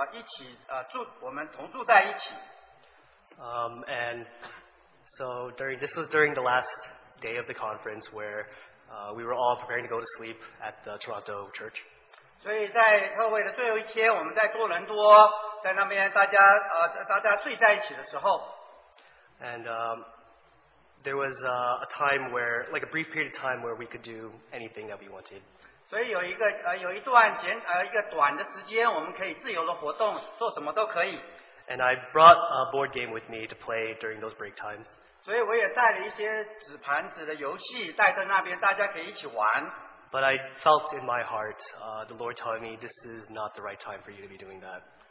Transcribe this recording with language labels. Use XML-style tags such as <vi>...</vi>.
<zh>所以在特会当中有一个叫分组的讨论，就是说题目就是说我们一起住，我们同住在一起。</zh> <en>And so during this was during the last day of the conference where we were all preparing to go to sleep at the Toronto church.</en> <zh>所以在特会的最后一天，我们在多伦多，在那边大家睡在一起的时候。</zh> <en>And there was a time where, like a brief period of time where we could do anything that we wanted.</en> <zh>所以有一个短的时间，我们可以自由的活动，做什么都可以。</zh> <en>And I brought a board game with me to play during those break times.</en> <zh>所以我也带了一些纸盘子的游戏，带在那边，大家可以一起玩。</zh> <en>But I felt in my heart, the Lord telling me this is not the right time for you to be doing that.</en>